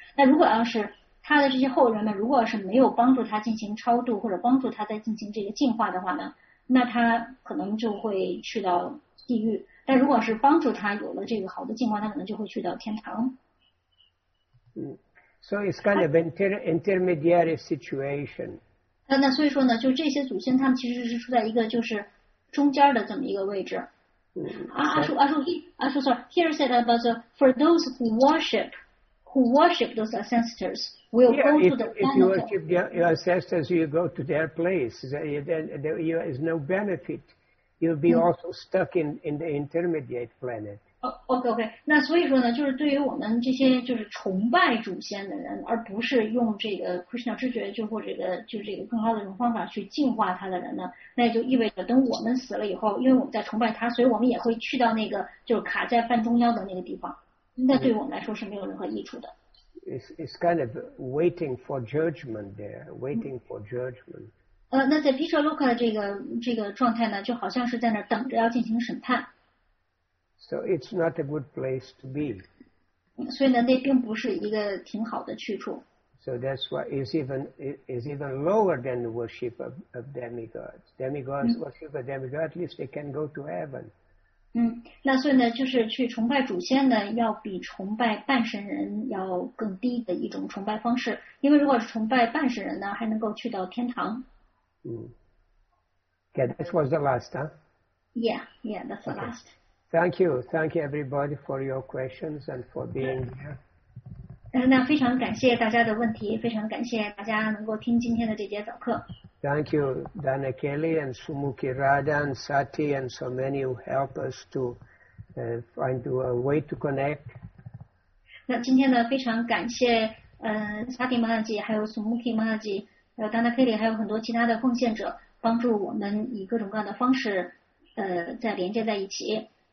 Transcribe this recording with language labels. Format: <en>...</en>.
<zh>那如果要是他的这些后人们如果是没有帮助他进行超度或者帮助他在进行这个进化的话呢，那他可能就会去到地狱，但如果是帮助他有了这个好的进化，他可能就会去到天堂。</zh> <en>So it's kind of intermediary situation.</en> <zh>那所以说呢，就这些祖先他们其实是处在一个就是中间的这么一个位置。</zh> <en>Here said about for those who worship those ancestors will go to the planet. If you worship your ancestors, you go to their place. There is no benefit. You'll be also stuck in the intermediate planet. Okay.</en> <zh>那所以说呢，就是对于我们这些就是崇拜祖先的人，而不是用这个 Krishna 知觉就或者这个更高的这种方法去净化他的人呢，那就意味着等我们死了以后，因为我们在崇拜他，所以我们也会去到那个就是卡在半中央的那个地方。那对我们来说是没有任何益处的。</zh> <en>It's kind of waiting for judgment there, waiting for judgment.</en> <zh>那在 Pitri Loka 的这个状态呢，就好像是在那等着要进行审判。</zh> <en>So it's not a good place to be.</en> <zh>所以呢，那并不是一个挺好的去处。</zh> <en>So that's why it's even lower than the worship of demigods. Demigods worship a demigod, at least they can go to heaven.</en> <zh>那所以呢就是去崇拜祖先呢要比崇拜半神人要更低的一种崇拜方式，因为如果是崇拜半神人呢还能够去到天堂。</zh> <en>Okay, that was the last, huh? Yeah, that's the last. Thank you everybody for your questions and for being here.</en> <zh>那非常感谢大家的问题，非常感谢大家能够听今天的这节早课。</zh> <en>Thank you, Dana Kelly and Sumukhi Radha and Sati and so many who help us to find a way to connect.</en> <zh>那今天呢，非常感谢，萨提玛哈吉，还有苏穆提玛哈吉，还有丹娜佩里，还有很多其他的奉献者，帮助我们以各种各样的方式，再连接在一起。</zh>